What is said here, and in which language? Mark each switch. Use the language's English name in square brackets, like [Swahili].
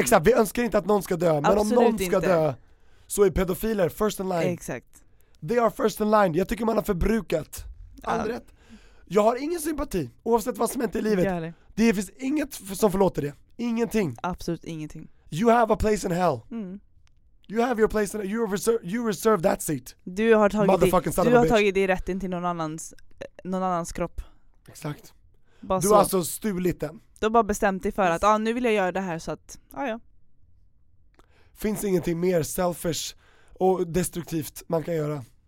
[Swedish] Exakt, vi önskar inte att någon ska dö, absolut men om någon inte. Ska dö så är pedofiler [English] first in line. [Swedish] Exakt. [English] They are first in line. [Swedish] Jag tycker man har förbrukat all rätt. Jag har ingen sympati, oavsett vad som händer i livet. Gärlig. Det finns inget som förlåter det. Ingenting. Absolut ingenting. [English] You have a place in hell. Mm. You have your place and you reserve that seat. [Swedish] Du har tagit dig rätten till någon annans kropp. Exakt. Bara du har alltså stulit den. Du har bara bestämt dig för att nu vill jag göra det här så att ja. Finns ingenting mer selfish och destruktivt man kan göra.